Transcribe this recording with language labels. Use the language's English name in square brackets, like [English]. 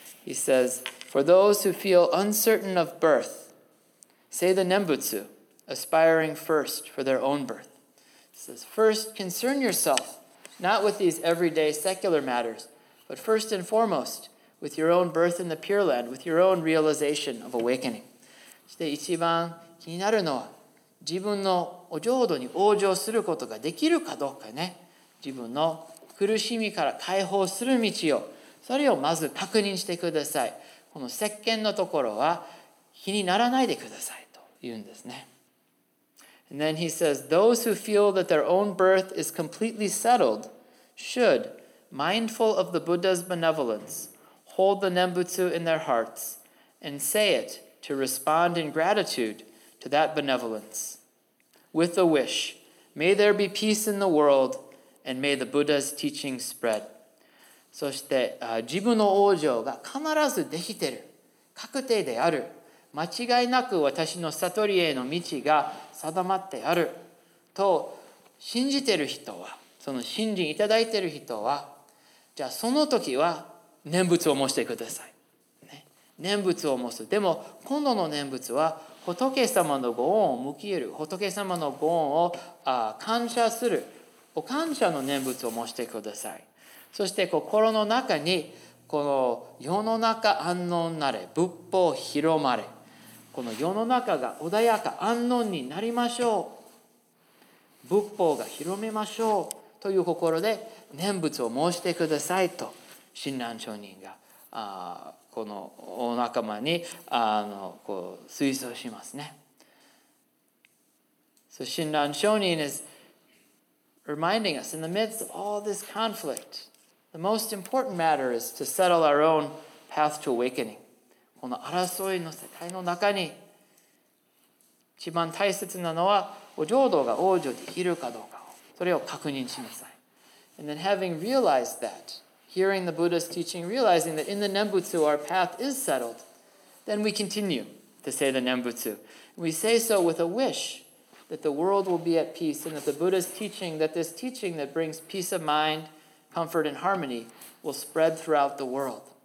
[English] He says, "For those who feel uncertain of birth, say the Nembutsu, aspiring first for their own birth." He says, "First, concern yourself not with these everyday secular matters, but first and foremost." With your own birth in the Pure Land, with your own realization of awakening. [Japanese] そして一番気になるのは、自分のお浄土に往生することができるかどうかね。自分の苦しみから解放する道を、それをまず確認してください。この石鹸のところは気にならないでくださいと言うんですね。 [English] And then he says, those who feel that their own birth is completely settled should, mindful of the Buddha's benevolence,Hold the Nembutsu in their hearts and say it to respond in gratitude to that benevolence with a wish. May there be peace in the world and may the Buddha's teaching spread. [Japanese] そして、自分の往生が必ずできてる。確定である。間違いなく私の悟りへの道が定まってある。と信じてる人は、その信心いただいてる人は、じゃあその時は、念仏を申してください、ね、念仏を申す。でも今度の念仏は仏様のご恩を向き得る、仏様のご恩を感謝する、お感謝の念仏を申してください。そして心の中にこの世の中安穏なれ、仏法広まれ、この世の中が穏やか安穏になりましょう、仏法が広めましょうという心で念仏を申してくださいと親鸞聖人がこのお仲間にこう推奨しますね。 [English] So 親鸞聖人 is reminding us in the midst of all this conflict, the most important matter is to settle our own path to awakening. [Japanese] この争いの世界の中に一番大切なのはお浄土が往生できるかどうかを、それを確認しなさい。 [English] And then having realized that,Hearing the Buddha's teaching, realizing that in the Nembutsu our path is settled, then we continue to say the Nembutsu. We say so with a wish that the world will be at peace and that the Buddha's teaching, that this teaching that brings peace of mind, comfort, and harmony will spread throughout the world.